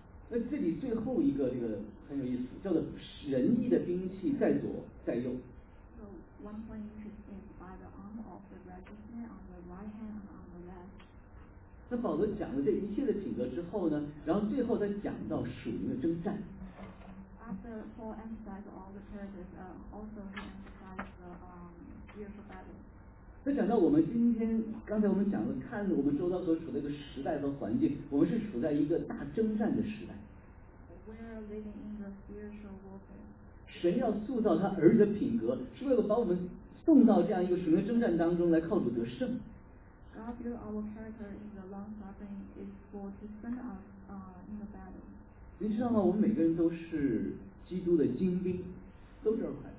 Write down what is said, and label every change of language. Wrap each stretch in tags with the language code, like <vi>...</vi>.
<zh>那这里最后一个这个很有意思，叫做仁义的兵器在左在右。</zh> <en>So one point interesting by the arm of the righteousness on the right hand and on the left.</en> <zh>那保罗讲了这一切的品格之后呢，然后最后他讲到属灵的征战。</zh> <en>After Paul emphasized all the characters, also emphasized the spiritual battle.</en> <zh>那讲到我们今天，刚才我们讲了，看我们周遭所处的一个时代和环境，我们是处在一个大征战的时代。</zh> <en>We are living in the spiritual warfare.</en> <zh>神要塑造他儿子的品格，是为了把我们送到这样一个属灵征战当中来靠主得胜。</zh> <en>God built our character in the long suffering is for to send us in the battle.</en> <zh>你知道吗？我们每个人都是基督的精兵，都是儿女。</zh>